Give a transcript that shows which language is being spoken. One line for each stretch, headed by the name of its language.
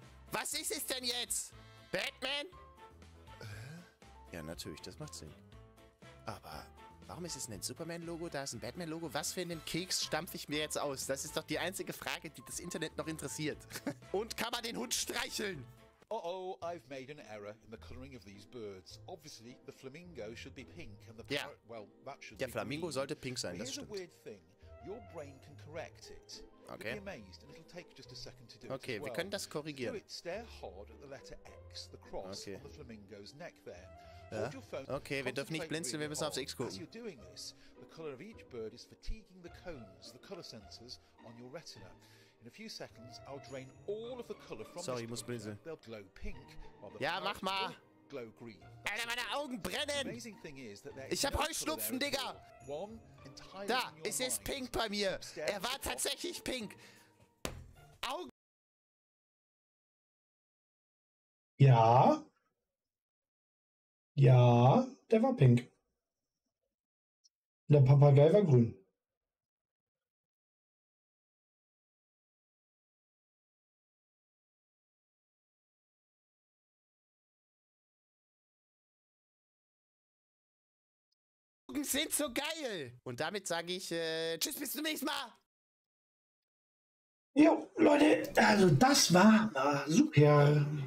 German: Was ist es denn jetzt? Batman? Ja, natürlich, das macht Sinn. Aber Warum ist es ein Superman-Logo? Da ist ein Batman-Logo. Was für einen Keks stampfe ich mir jetzt aus? Das ist doch die einzige Frage, die das Internet noch interessiert. Und kann man den Hund streicheln?
English: Oh oh, I've made an error in the colouring of these birds. Obviously, the flamingo should be pink and the parrot, well, that should be green.
German: Sollte pink sein, das stimmt.
English: Weird thing. Your brain can correct it. Okay. You'll be amazed, and it'll take just a second to do it.
German: Okay, wir können das korrigieren.
English: Do it, stare hard at the letter X, the cross on the flamingo's neck there.
German: Okay, wir dürfen nicht blinzeln, wir müssen aufs X gucken.
English: As you're doing this, the color of each bird is fatiguing the cones, the color sensors on your retina. In a few seconds, I'll drain all of the color from
German: Sorry, ich muss blinzeln.
English: They'll glow pink.
German: Ja, mach mal.
English: Glow green.
German: Alter, meine Augen brennen.
English: Amazing thing is that
German: ich hab Heuschnupfen, Digga. Da, es ist pink bei mir. Er war tatsächlich pink. Augen. Ja. Ja, der war pink. Der Papagei war grün. Augen sind so geil. Und damit sage ich tschüss, bis zum nächsten Mal. Jo, Leute, also das war super.